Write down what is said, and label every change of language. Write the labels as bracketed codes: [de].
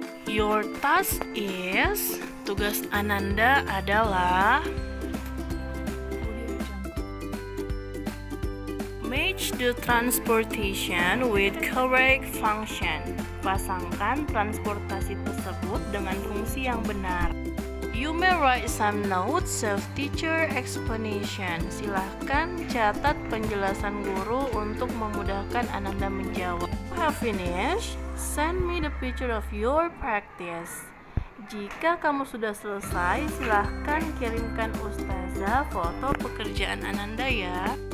[en] Your task is, [id] tugas Ananda adalah [en] May manage the transportation with correct function. [id] Pasangkan transportasi tersebut dengan fungsi yang benar. [en] You may write some notes of teacher explanation. [id] Silahkan catat penjelasan guru untuk memudahkan Ananda menjawab. [en] You have finished? Send me the picture of your practice. [id] Jika kamu sudah selesai, silahkan kirimkan ustazah foto pekerjaan Ananda ya.